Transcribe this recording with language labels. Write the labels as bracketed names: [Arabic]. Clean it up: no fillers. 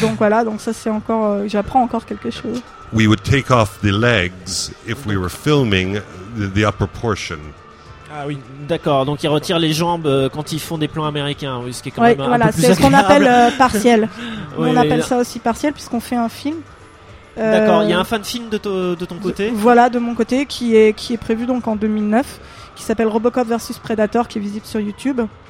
[French] Donc voilà, donc ça c'est encore, j'apprends encore quelque chose. [English] We would take off the legs if we were filming the upper portion. [French] Ah oui, d'accord. Donc ils retirent les jambes quand ils font des plans américains, ce qui est quand même un peu plus agréable. C'est ce qu'on appelle partiel. Oui, on appelle ça aussi partiel, puisqu'on fait un film. D'accord, il y a un fan film de ton côté. Voilà, de mon côté, qui est prévu donc en 2009, qui s'appelle Robocop versus Predator, qui est visible sur YouTube.